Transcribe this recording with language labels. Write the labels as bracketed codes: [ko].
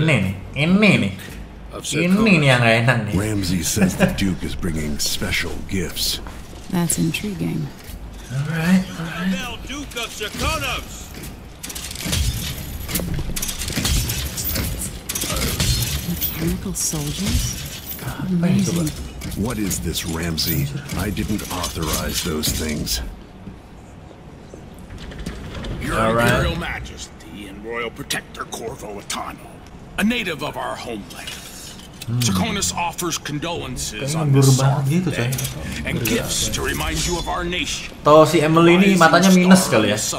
[id] Ini nih yang gak enak nih. [en] Ramsay says the Duke is bringing special gifts. That's intriguing. All right. Duke of Sirkonos. Mechanical soldiers? Amazing. What is this, Ramsay? I didn't authorize those things. Your Imperial Majesty and Royal Protector Corvo Atano, a native of our homeland. Sirkonos offers condolences on this sad day and gifts to remind you of our nation. [id] Tuh si Emily ini matanya minus kali ya.